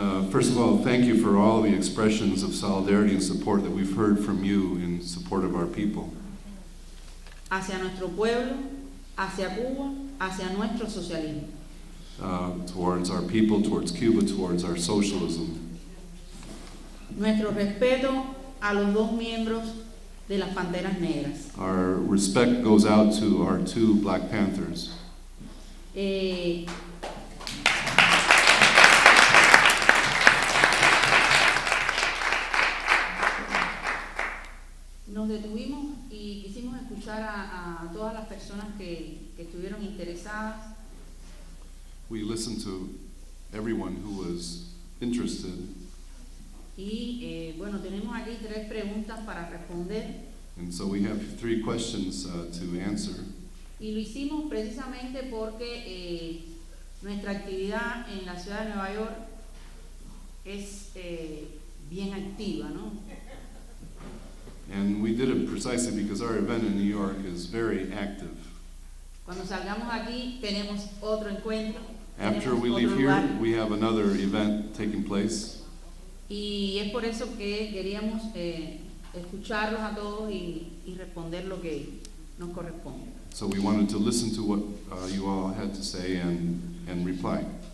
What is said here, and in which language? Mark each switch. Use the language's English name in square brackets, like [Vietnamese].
[English] first of all, thank you for all the expressions of solidarity and support that we've heard from you in support of our people. [Spanish] Hacia nuestro pueblo, hacia Cuba, hacia nuestro socialismo. [English] Towards our people, towards Cuba, towards our socialism. [Spanish] Nuestro respeto a los dos miembros de las Panteras Negras. [English] Our respect goes out to our two Black Panthers. [Spanish] Nos detuvimos y quisimos escuchar a todas las personas que estuvieron interesadas. [English] We listened to everyone who was interested. [Spanish] Y bueno, tenemos aquí tres preguntas para responder. [English] And so we have three questions to answer. [Spanish] Y lo hicimos precisamente porque nuestra actividad en la ciudad de Nueva York es bien activa, ¿no? [English] And we did it precisely because our event in New York is very active. [Spanish] Cuando salgamos aquí, tenemos otro encuentro. [English] After [Spanish] tenemos [English] we leave [Spanish] otro lugar. [English] Here, we have another event taking place. [Spanish] Y es por eso que queríamos escucharlos a todos y responder lo que nos corresponde. [English] So we wanted to listen to what you all had to say and reply.